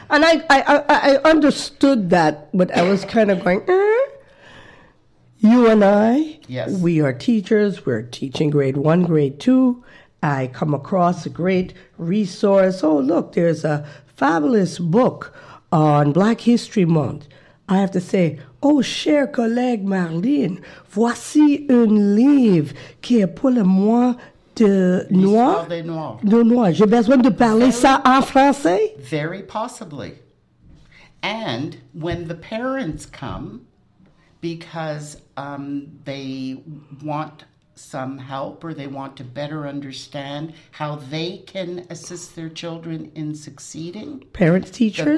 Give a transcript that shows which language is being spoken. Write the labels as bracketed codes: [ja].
[en] And I understood that, but I was kind of going, You and I, yes. We are teachers, we're teaching grade one, grade two. I come across a great resource. Oh, look, there's a fabulous book on Black History Month. I have to say, oh, [fr] cher collègue Marlene, voici un livre qui est pour le moi de noir. De noir. J'ai besoin de parler ça en français? [en] Very possibly. And when the parents come, because they want some help or they want to better understand how they can assist their children in succeeding. Parents, teachers?